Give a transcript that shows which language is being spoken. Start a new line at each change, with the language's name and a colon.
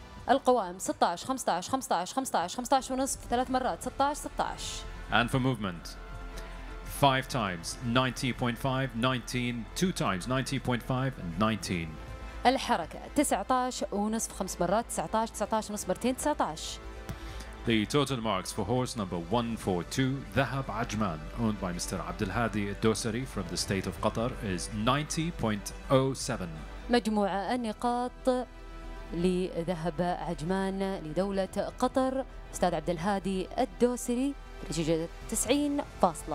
Arabic: القوام 16 15 15 15 15 ونص ثلاث مرات 16 16.
English: And for movement 5 times 19.5 19 2 times 19.5 and 19.
Arabic: الحركة 19 ونص خمس مرات 19 19 ونص مرتين 19.
English: The total marks for horse number 142, Dhahab Ajman, owned by Mr. Abdul Hadi Dosari from the state of Qatar, is 90.07.
Arabic: مجموعة النقاط لذهب عجمان لدولة قطر أستاذ عبد الهادي الدوسري بنتيجة 90.07.